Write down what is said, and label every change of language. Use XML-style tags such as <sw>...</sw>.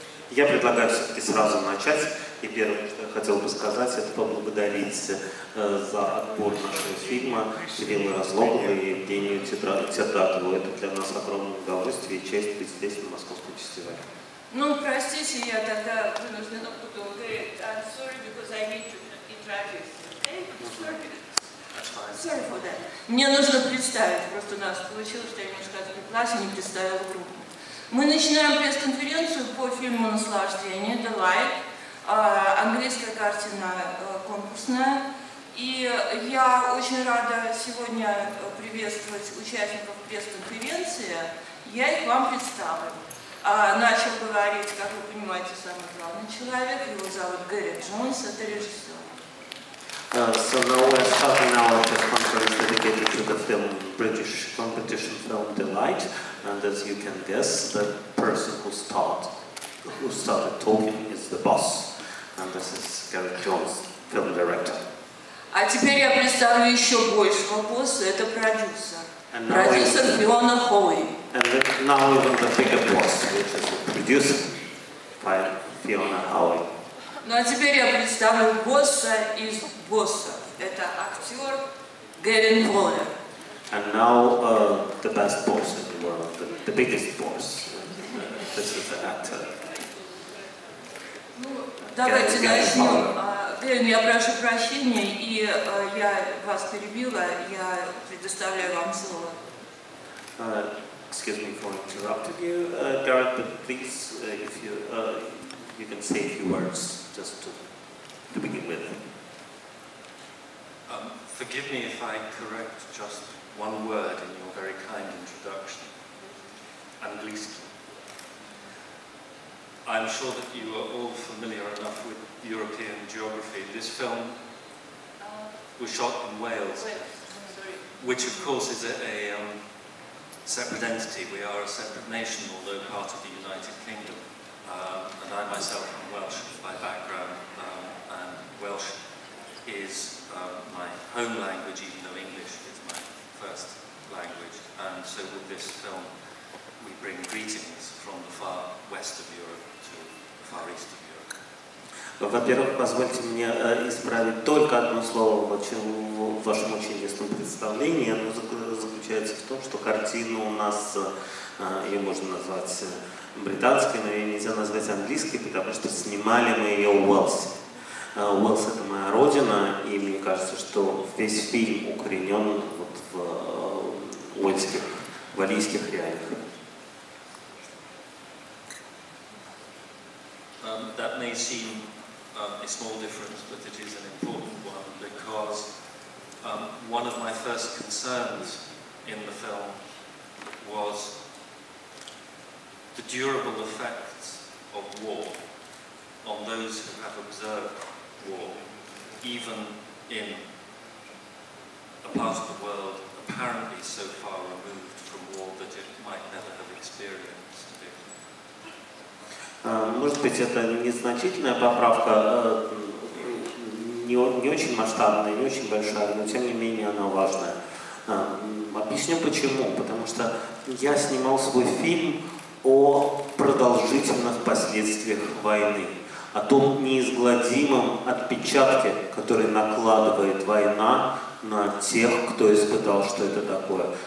<ru>Я предлагаю все-таки сразу начать. И первое, что я хотел бы сказать, это поблагодарить за отбор нашего фильма Ирины Разлоговой и Евгению Тетратову. Это для нас огромное удовольствие и честь быть здесь на Московском фестивале. Ну, простите, я тогда вынуждена буду говорить.</ru> <en>I'm sorry, because I need to introduce you.</en> <ru>Мне нужно представить. Просто у нас получилось, что я немножко отвлеклась и не представила группу. Мы начинаем пресс-конференцию по фильму «Наслаждение», «Delight», английская картина конкурсная. И я очень рада сегодня приветствовать участников пресс-конференции. Я их вам представлю. Начал говорить, как вы понимаете, самый главный человек. Его зовут Гэри Джонс, это режиссер.</ru> <en>So now we're starting our press conference dedicated to the film, British competition film Delight. And as you can guess, the person who started talking is the boss. And this is Gary Jones, film director.</en> <ru>А теперь я представлю еще большего босса, это продюсер Фиона Холли.</ru> <en>And now even the bigger boss, which is the producer by Fiona Holly.</en> <ru>Ну а теперь я представлю босса из боссов. Это актер Гэвин Воллер.</ru> <en>And now the best boss in the world, the biggest boss. This is the actor.</en> <ru>Ну, давайте начнем. Гэвин, я прошу прощения, и я вас перебила, я предоставляю вам слово.</ru> <en>Excuse me for interrupting you, Garrett, but please, if you... You can say a few words just to begin with. Forgive me if I correct just one word in your very kind introduction. Английский. I'm sure that you are all familiar enough with European geography. This film was shot in Wales, which of course is a separate entity. We are a separate nation, although part of the United Kingdom. And I myself am Welsh by background, and Welsh is my home language, even though English is my first language. And so with this film, we bring greetings from the far west of Europe to the far east of Europe.</en> <ru>Во-первых, позвольте мне исправить только одно слово в вашем очень ясном представлении. Оно заключается в том, что картина у нас, ее можно назвать... британской, но ее нельзя назвать английской, потому что снимали мы ее в Уэльсе. Уэльс — это моя родина, и мне кажется, что весь фильм укоренен вот в уэльских, валийских реалиях.</ru> <en>That may seem a small difference, but it is an important one, because one of my first concerns in the film was the durable effects of war on those who have observed war, even in a part of the world apparently so far removed from war that it might never have experienced it.</en> <ru>Может быть, это незначительная поправка, не очень масштабная, не очень большая, но тем не менее она важная. Объясню почему. Потому что я снимал свой фильм о продолжительных последствиях войны, о том неизгладимом отпечатке, который накладывает война на тех, кто испытал, что это такое.</ru>